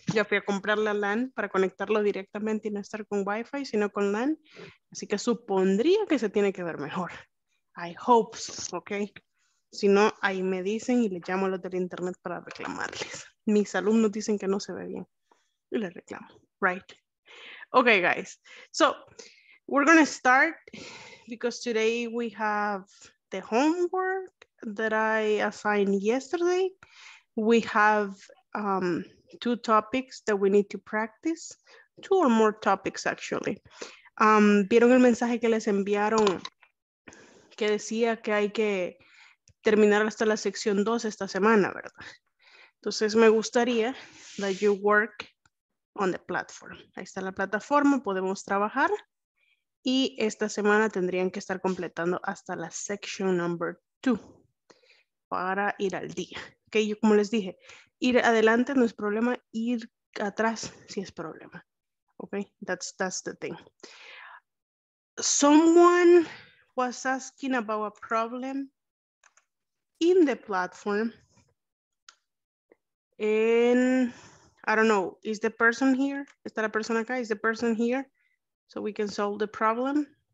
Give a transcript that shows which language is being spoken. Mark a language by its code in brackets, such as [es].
[es] Ya fui a comprar la LAN para conectarlo directamente y no estar con Wi-Fi, sino con LAN. Así que supondría que se tiene que ver mejor. [en] I hope so, okay. [es] Si no, ahí me dicen y le llamo a los del internet para reclamarles. Mis alumnos dicen que no se ve bien. Y le reclamo, [en] right? Okay, guys. So, we're going to start because today we have the homework that I assigned yesterday. We have two topics that we need to practice. Two or more topics, actually. [es] ¿Vieron el mensaje que les enviaron? Que decía que hay que terminar hasta la sección 2 esta semana, ¿verdad? Entonces me gustaría [en] that you work on the platform. [es] Ahí está la plataforma, podemos trabajar. Y esta semana tendrían que estar completando hasta la section number 2 para ir al día. Ok, yo como les dije, ir adelante no es problema, ir atrás sí es problema. [en] Ok, that's the thing. Someone was asking about a problem in the platform. And I don't know, is the person here? Is that a person acá? Is the person here? So we can solve the problem.